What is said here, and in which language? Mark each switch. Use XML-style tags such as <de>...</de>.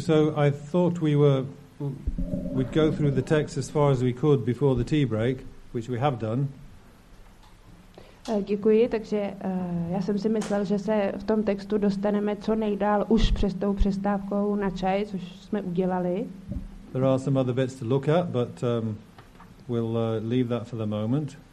<en>So I thought we'd go through the text as far as we could before the tea break, which we have done.</en> <cs>Děkuji, takže já jsem si myslel, že se v tom textu dostaneme co nejdál už přes tou přestávkou na čaj, což jsme udělali.</cs> <en>There are some other bits to look at, but we'll leave that for the moment.</en>